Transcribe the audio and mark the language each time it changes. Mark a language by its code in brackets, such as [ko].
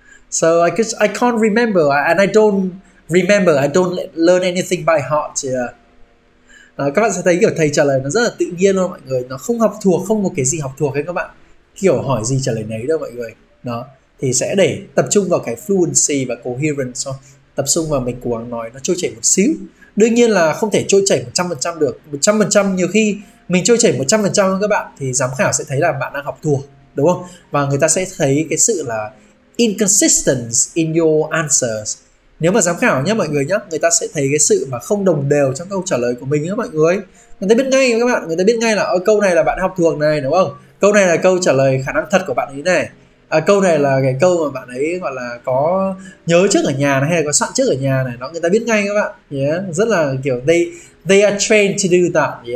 [en] So I can't remember and I don't learn anything by heart. Yeah. [vi] Đó, các bạn sẽ thấy kiểu thầy trả lời nó rất là tự nhiên luôn mọi người, nó không học thuộc, không có cái gì học thuộc hết các bạn, kiểu hỏi gì trả lời nấy đâu mọi người. Đó thì sẽ để tập trung vào cái fluency và coherence thôi, tập trung vào mình cố gắng nói nó trôi chảy một xíu. Đương nhiên là không thể trôi chảy 100% được, 100% nhiều khi mình trôi chảy 100% các bạn thì giám khảo sẽ thấy là bạn đang học thuộc đúng không, và người ta sẽ thấy cái sự là [en] inconsistence in your answers. [vi] Nếu mà giám khảo nhé mọi người nhé, người ta sẽ thấy cái sự mà không đồng đều trong câu trả lời của mình nhé mọi người. Người ta biết ngay các bạn, người ta biết ngay là ôi, câu này là bạn học thuộc này đúng không? Câu này là câu trả lời khả năng thật của bạn ấy này. À, câu này là cái câu mà bạn ấy gọi là có nhớ trước ở nhà này, hay là có sẵn trước ở nhà này. Đó, người ta biết ngay các bạn. [en] Yeah, [vi] rất là kiểu [en] they are trained to do that.